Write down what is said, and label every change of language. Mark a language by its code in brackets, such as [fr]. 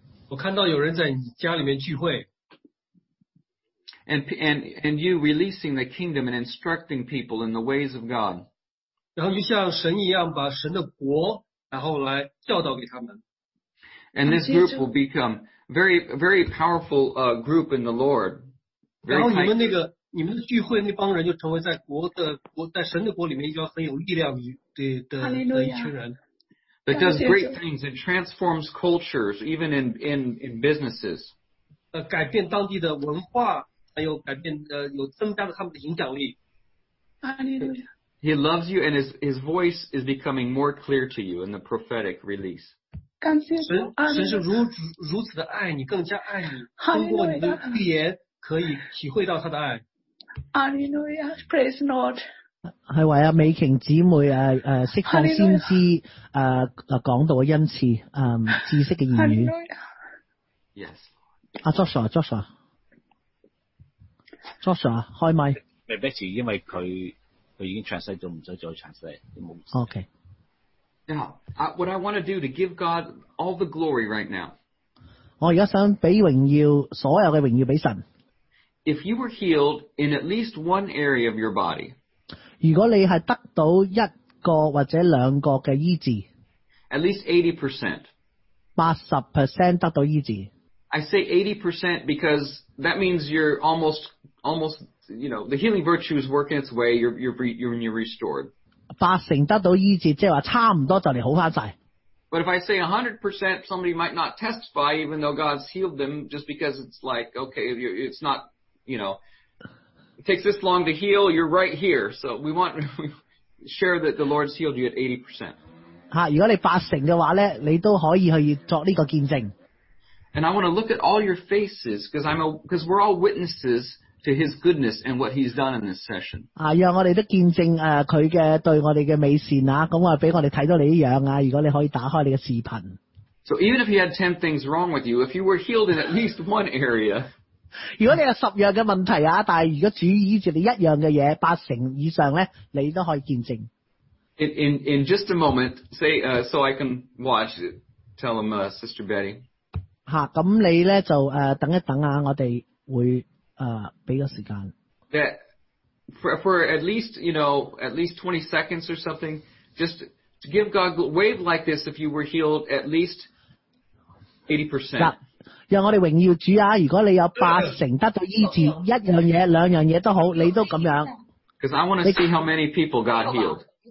[zh] 我看到有人在家里面聚会。 [en] And you releasing the kingdom and instructing people in the ways of God. And this group will become very, very powerful group in the Lord. Very that does great things and transforms cultures, even in businesses. [zh] 改变当地的文化，还有改变有增加了他们的影响力。 [en] He loves you, and his voice is becoming more clear to you in the prophetic release. [zh] 感谢主，神是如此的爱你，更加爱你，通过你的预言可以体会到他的爱。 [en] Hallelujah, praise Lord. [zh] 是为了美琼姊妹释放先知讲到的恩赐，知识的言语。 [en] Yes. [zh] Joshua, 开麦。未必是因为他已经 translate 了，不用再 translate， 没事。 [en] Okay. Now, what I want to do to give God all the glory right now. [zh] 我现在想给荣耀，所有的荣耀给神。 [en] If you were healed in at least one area of your body, [zh] 如果你是得到一个或者两个的医治， [en] at least 80%， [zh] 80% 得到医治。 [en] I say 80% because that means you're almost, you know, the healing virtue is working its way, you're restored. [zh] 80% 得到医治，即是说差不多就来好回来。 [en] But if I say 100%, somebody might not testify even though God's healed them just because it's like, okay, it's not... You know, it takes this long to heal, you're right here. So we want to share that the Lord's healed you at 80%. [zh] 如果你八成的话呢，你都可以去作这个见证。 [en] And I want to look at all your faces, because we're all witnesses to his goodness and what he's done in this session. [zh] 让我们都见证他的对我们的美善，咁我俾我们看到你一样，如果你可以打开你的视频。 [en] So even if he had 10 things wrong with you, if you were healed in at least one area, [zh] 如果你有十样的问题，但如果主医治你一样的东西，八成以上呢，你都可以见证。 [en] In just a moment, say, so I can watch it, tell him, Sister Betty. [zh] 那你呢就等一等，我们会给个时间。 [en] That for at least, you know, at least 20 seconds or something, just to give God a wave like this if you were healed at least 80%. Yeah. [zh] 让我们荣耀主啊，如果你有八成得到医治，一样嘢、两样嘢都好，你都咁样。 [en] Because I want to see how many people got healed.